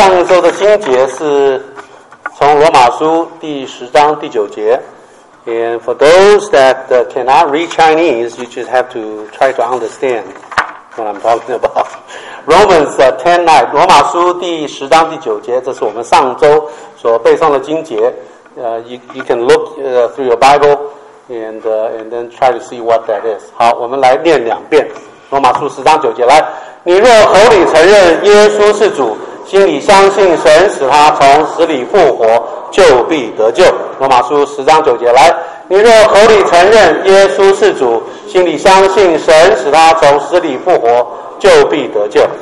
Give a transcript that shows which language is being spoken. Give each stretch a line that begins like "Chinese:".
Chinese: 说的经节是从罗马书第十章第九节。
English: And for those that cannot read Chinese, you just have to try to understand what I'm talking about.
Chinese: Romans 10:9, 罗马书第十章第九节，这是我们上周所背诵的经节。
English: You can look through your Bible and then try to see what that is.
Chinese: 好，我们来念两遍罗马书十章九节。来，你若口里承认耶稣是主，心里相信神使他从死里复活，就必得救。罗马书十章九节，来，你若口里承认耶稣是主，心里相信神使他从死里复活，就必得救。